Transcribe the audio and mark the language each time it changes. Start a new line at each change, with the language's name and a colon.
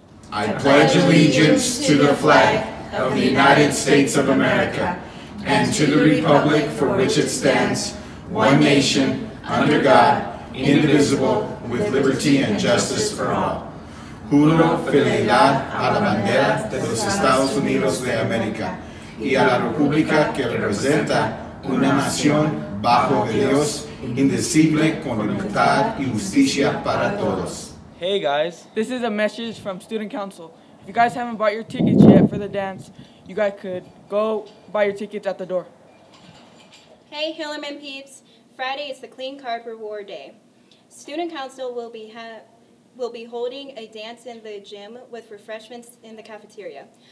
English: I pledge allegiance to the flag of the United States of America and to the republic for which it stands, one nation, under God, indivisible, with liberty and justice for all.
Spanish: Juro fidelidad a la bandera de los Estados Unidos de América y a la república que representa una nación bajo Dios, indivisible, con libertad y justicia para todos.
English: Hey guys, this is a message from Student Council. If you guys haven't bought your tickets yet for the dance, you guys could go buy your tickets at the door. Hey, Hillerman peeps. Friday is the Clean Card Reward Day. Student Council will be holding a dance in the gym with refreshments in the cafeteria.